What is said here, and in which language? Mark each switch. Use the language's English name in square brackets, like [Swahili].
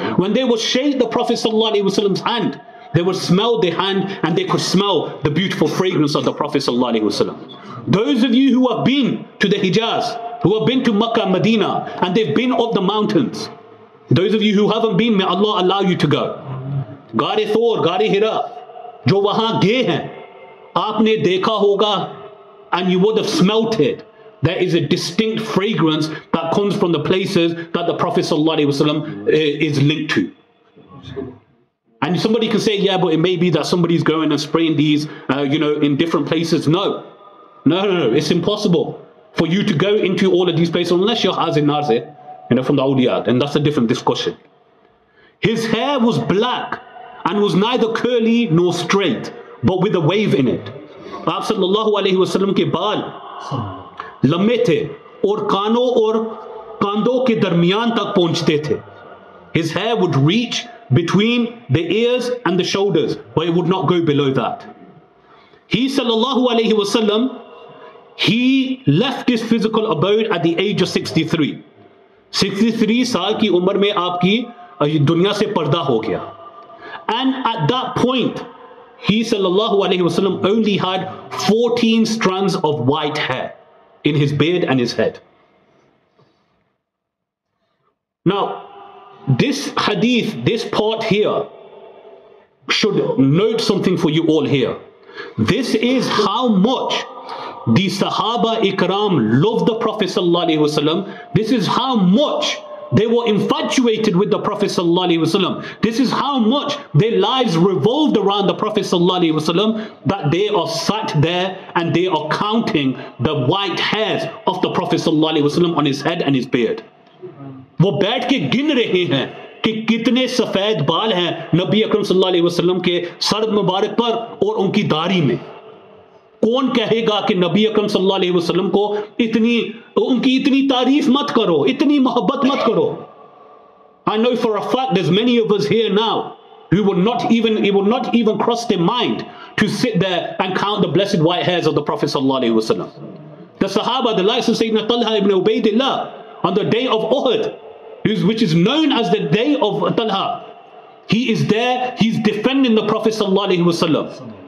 [English] When they would shake the Prophet sallallahu alaihi wasallam's hand, they would smell the hand and they could smell the beautiful fragrance of the Prophet sallallahu alaihi wasallam. Those of you who have been to the Hijaz, who have been to Makkah, Medina, and they've been up the mountains, those of you who haven't been, may Allah allow you to go. [Urdu] غار ثور، غار حرا، جو وہاں گئے ہیں، آپنے دیکھا ہوگا۔ [English] And you would have smelt it. There is a distinct fragrance that comes from the places that the Prophet ﷺ is linked to. And somebody can say, yeah, but it may be that somebody's going and spraying these, in different places. No. It's impossible for you to go into all of these places unless you're Hazin Nazir. you know, from the awliyat, and that's a different discussion. His hair was black and was neither curly nor straight, but with a wave in it. [Urdu] آپ صلی اللہ علیہ وسلم کے بال لمبے تے اور کانوں اور کندھوں کے درمیان تک پہنچتے تے۔ [English] His hair would reach between the ears and the shoulders, but it would not go below that. He sallallahu alayhi wa sallam, he left his physical abode at the age of 63. [Urdu] 63 سال کی عمر میں آپکی دنیا سے پردہ ہو گیا۔ [English] And at that point, he sallallahu alayhi wa sallam only had 14 strands of white hair in his beard and his head. Now, this hadith, this part here, should note something for you all here. This is how much the Sahaba Ikram loved the Prophet sallallahu alayhi wa sallam. This is how much they were infatuated with the Prophet sallallahu alayhi wa sallam. This is how much their lives revolved around the Prophet sallallahu alayhi wa sallam, that they are sat there and they are counting the white hairs of the Prophet sallallahu alayhi wa sallam on his head and his beard. [Urdu] وہ بیٹھ کے گن رہے ہیں کہ کتنے سفید بال ہیں نبی اکرم صلی اللہ علیہ وسلم کے سر مبارک پر اور انکی داڑھی میں۔ کون کہے گا کہ نبی اکرم صلی اللہ علیہ وسلم کو اتنی، انکی اتنی تعریف مت کرو، اتنی محبت مت کرو۔ [English] I know for a fact there's many of us here now who will not even, it will not even cross their mind to sit there and count the blessed white hairs of the Prophet sallallahu alayhi wa sallam. The Sahaba, the likes of Sayyidina Talha ibn Ubaidillah, on the day of Uhud, which is known as the day of Talha, he is there, he's defending the Prophet sallallahu alayhi wa sallam.